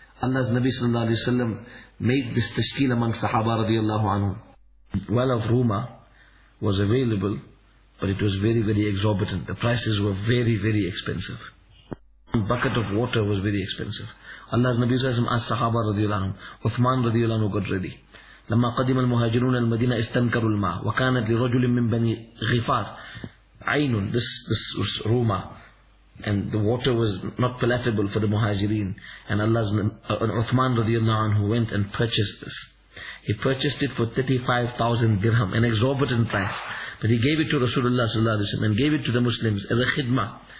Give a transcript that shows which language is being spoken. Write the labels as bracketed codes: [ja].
[en] Allah's Nabi sallallahu alayhi wa sallam made this tashkil among Sahaba radiallahu anhu. Well of Rumah was available, but it was very, very exorbitant. The prices were very, very expensive. A bucket of water was very expensive. Allah's Nabi sallallahu alayhi wa sallam asked Sahaba radiallahu anhu, Uthman radiallahu anhu got ready. [ar] لما قدم المهاجرون المدينة استنكروا الماء وكانت لرجل من بني غفار عين. [en] This was Rumah, and the water was not palatable for the Muhajirin. And Allah's Uthman radiallahu anhu went and purchased this. He purchased it for 35,000 dirham, an exorbitant price. But he gave it to Rasulullah sallallahu alaihi wasallam and gave it to the Muslims as a khidmah.